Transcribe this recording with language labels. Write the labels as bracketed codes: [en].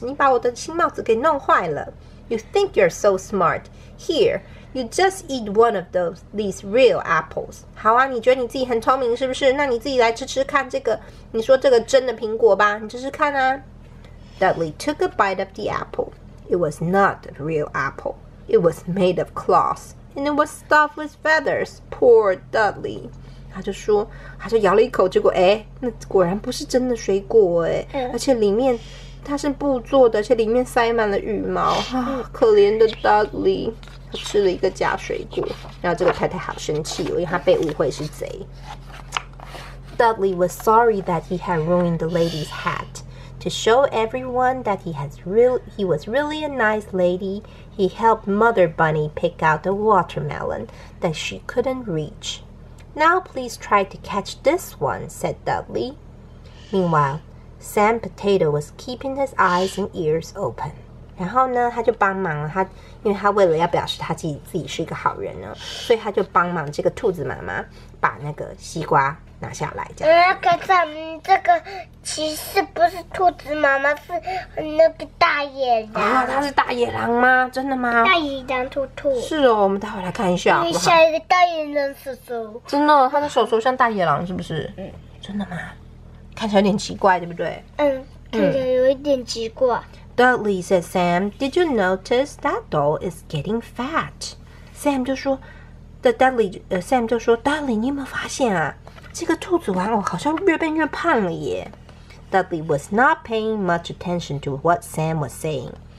[zh] 你把我的新帽子给弄坏了。 [en] You think you're so smart here. You just eat one of these real apples. [zh] 好啊，你觉得你自己很聪明是不是？那你自己来吃吃看这个，你说这个真的苹果吧，你吃吃看啊。 [en] Dudley took a bite of the apple. It was not a real apple. It was made of cloth, and it was stuffed with feathers. Poor Dudley. [zh] 他就咬了一口，结果哎，那果然不是真的水果哎，而且里面它是布做的，而且里面塞满了羽毛啊，可怜的 Dudley。他吃了一个假水果，然后这个太太好生气，因为他被误会是贼。 [en] Dudley was sorry that he had ruined the lady's hat. To show everyone that he was really a nice lady, he helped Mother Bunny pick out a watermelon that she couldn't reach. Now please try to catch this one, said Dudley. Meanwhile, Sam Potato was keeping his eyes and ears open. [zh] 然后呢，他就帮忙了。因为他为了要表示他自己是一个好人呢，所以他就帮忙这个兔子妈妈把那个西瓜拿下来。这样，可是这个其实不是兔子妈妈，是那个大野狼啊。他是大野狼吗？真的吗？大野狼兔兔。是哦，我们待会来看一下好不好。像一个大野狼手手。真的，他的手手像大野狼是不是？嗯。真的吗？看起来有点奇怪，对不对？嗯，看起来有一点奇怪。嗯 [en] Dudley said, Sam, did you notice that doll is getting fat? [zh] Sam 就说 Sam 就说 Dudley, 你有没有发现啊？这个兔子玩偶好像越变越胖了耶。 [en] Dudley was not paying much attention to what Sam was saying.